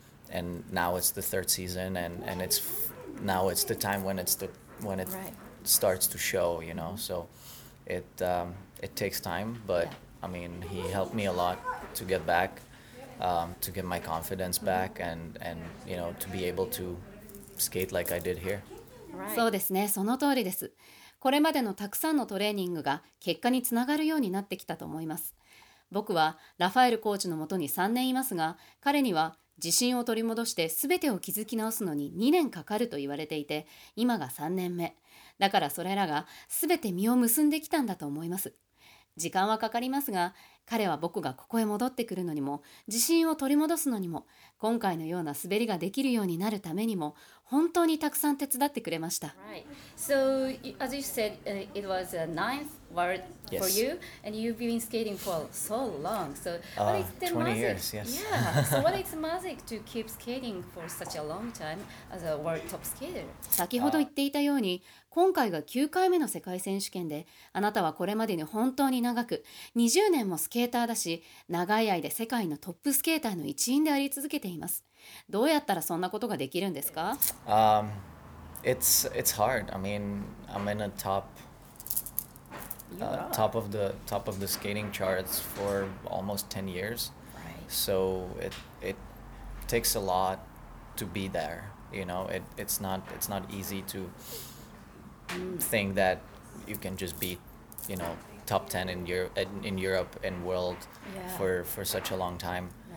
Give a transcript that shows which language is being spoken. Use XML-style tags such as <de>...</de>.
<en>And now it's the third season, and it's the time when starts to show, you know. So it takes time, but I mean, he helped me a lot to get back, to get my confidence back, and you know, to be able to. Skate like I did here.</en> <ja>そうですね、その通りです。これまでのたくさんのトレーニングが結果につながるようになってきたと思います。僕はラファエルコーチのもとに3年いますが、彼には自信を取り戻して全てを築き直すのに2年かかると言われていて、今が3年目。だからそれらが全て実を結んできたんだと思います。時間はかかりますが、彼は僕がここへ戻ってくるのにも、自信を取り戻すのにも、今回のような滑りができるようになるためにも、本当にたくさん手伝ってくれました。</ja> <en>Right. So, as you said, it was a ninth world for you, and you've been skating for so long. So, what is the magic? 20 years, yes. Yeah. So, what is the magic to keep skating for such a long time as a world top skater?</en> <ja>先ほど言っていたように、今回が9回目の世界選手権で、あなたはこれまでに本当に長く、20年もスケーターだし、長い間世界のトップスケーターの一員であり続けています。どうやったらそんなことができるんですか？</ja> <en>It's hard. I mean, I'm in a top of the skating charts for almost 10 years. Right. So it takes a lot to be there. You know, it's not easy to think that you can just be, you know, top 10 in Europe and world for such a long time.</en>